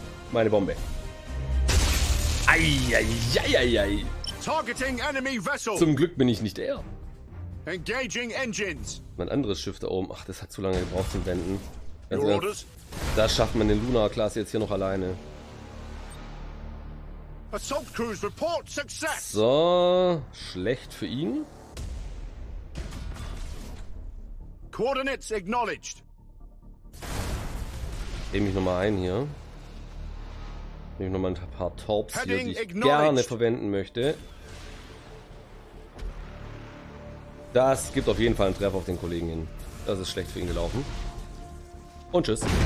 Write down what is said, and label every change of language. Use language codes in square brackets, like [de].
[de] Meine Bombe. Eieieiei. [en] Targeting enemy vessel. [de] Zum Glück bin ich nicht er. [en] Engaging engines. [de] Mein anderes Schiff da oben. Ach, das hat zu lange gebraucht zum Wenden. [en] Also, your orders? [de] Das schafft man in Lunar-Klasse jetzt hier noch alleine. [en] Assault crews report success. [de] So, schlecht für ihn. [en] Coordinates acknowledged. [de] Nehme ich nochmal ein hier. Nehme ich nochmal ein paar Torps hier, die ich gerne verwenden möchte. Das gibt auf jeden Fall einen Treffer auf den Kollegen hin. Das ist schlecht für ihn gelaufen. Und tschüss.